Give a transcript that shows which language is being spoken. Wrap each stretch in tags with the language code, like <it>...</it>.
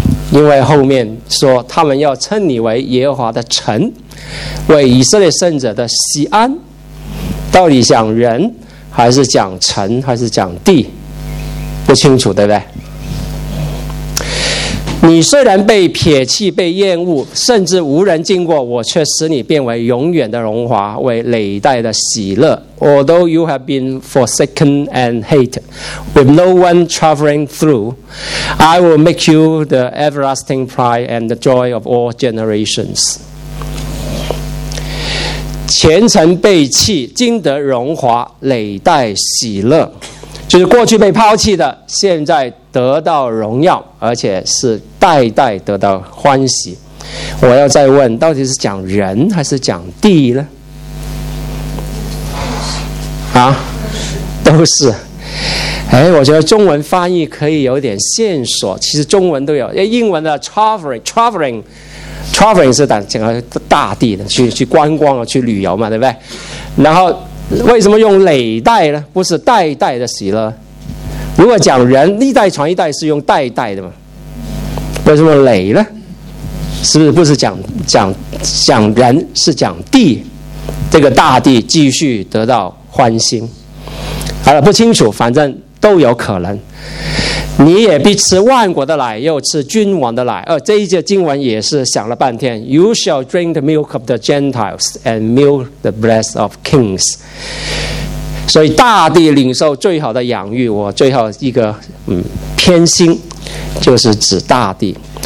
<zh>因为后面说他们要称你为耶和华的城，为以色列圣者的锡安，到底讲人还是讲城还是讲地，不清楚对不对？你虽然被撇弃、被厌恶，甚至无人经过，我却使你变为永远的荣华，为累代的喜乐。</zh> <en>Although you have been forsaken and hated, with no one traveling through, I will make you the everlasting pride and the joy of all generations.</en> <zh>前程被弃，经得荣华，累代喜乐。就是过去被抛弃的，现在得到荣耀，而且是代代得到欢喜。我要再问，到底是讲人还是讲地呢？啊，都是。哎，我觉得中文翻译可以有点线索，其实中文都有，英文的 traveling 是讲大地的，去观光啊，去旅游嘛，对不对？然后为什么用累代呢？不是代代的喜乐？如果讲人历代传一代是用代代的嘛，为什么累呢？是不是不是讲人，是讲地，这个大地继续得到欢心？好了，不清楚，反正都有可能。你也必吃万国的奶，又吃君王的奶。这一节经文也是想了半天。</zh> <en>You shall drink the milk of the Gentiles and milk the breast of kings。</en> <zh>所以大地领受最好的养育，我最后一个偏心，就是指大地。</zh>